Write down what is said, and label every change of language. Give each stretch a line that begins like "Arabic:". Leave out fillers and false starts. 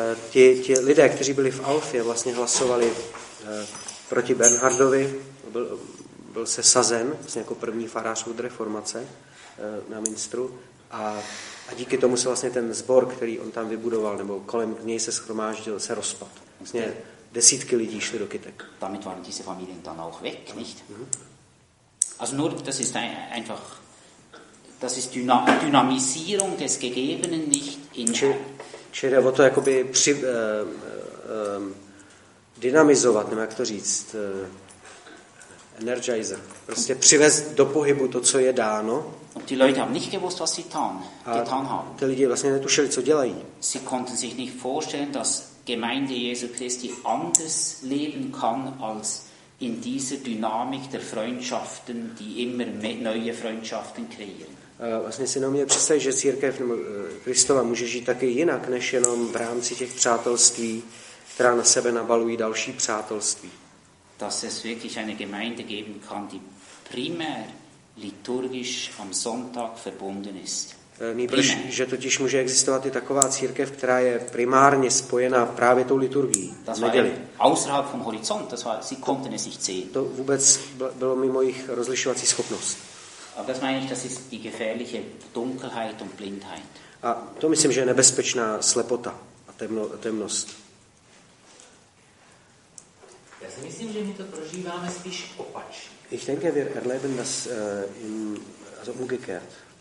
Czech: Ti lidé, kteří byli v Alfě, vlastně hlasovali proti Bernhardovi, byl se sazen vlastně jako první farář od reformace na Münstru. A díky tomu se vlastně ten sbor, který on tam vybudoval, nebo kolem něj se shromáždil, se rozpad. Vlastně desítky lidí šli do kytek.
German: Damit waren diese Familien dann auch weg, nicht? Mm-hmm. Also nur, das ist einfach, das ist Dynamisierung des Gegebenen, nicht?
Czech: Čili jde o to, jakoby dynamizovat, nevím, jak to říct, energizer. Prostě přivést do pohybu to, co je dáno.
German: Und die Leute haben nicht gewusst, was sie getan haben.
Czech: Ty lidi vlastně netušili, co dělají.
German: Sie konnten sich nicht vorstellen, dass Gemeinde Jesu Christi anders leben kann als in dieser Dynamik der Freundschaften, die immer neue Freundschaften kreieren.
Czech: Vlastně si neuměl představit, že církev nebo Kristova může žít taky jinak, než jenom v rámci těch přátelství, která na sebe nabalují další přátelství.
German: Dass es wirklich eine Gemeinde geben kann, die primär liturgisch am Sonntag verbunden ist.
Czech: Nejbrž, že totiž může existovat i taková církev, která je primárně spojená právě tou liturgií.
German: Das war außerhalb vom Horizont, das war, sie konnten es nicht sehen.
Czech: To vůbec bylo mimo jejich rozlišovací schopnost.
German: Aber das meine ich, das ist die gefährliche Dunkelheit und Blindheit.
Czech: A to myslím, že je nebezpečná slepota a temnost. Já si myslím, že my to prožíváme spíš opač.
German: Ich denke, wir erleben das in, also umgekehrt.